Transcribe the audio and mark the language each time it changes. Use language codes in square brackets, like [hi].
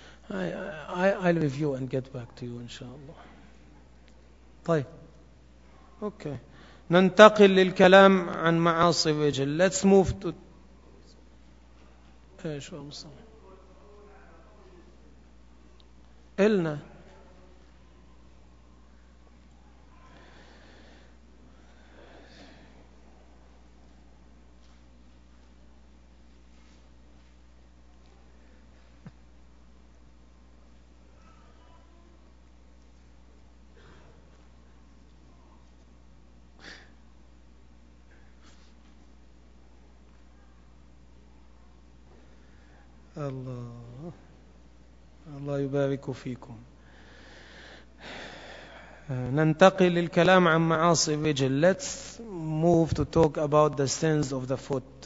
[en] I'll review and get back to you, inshallah. طيب. Okay. [ar] ننتقل للكلام عن معاصي وجه. [en] Let's move to. [ar] شو المصطلح؟ إلنا. الله الله يبارك فيكم. ننتقل للكلام عن معاصي الرجل. [en] Let's move to talk about the sins of the foot.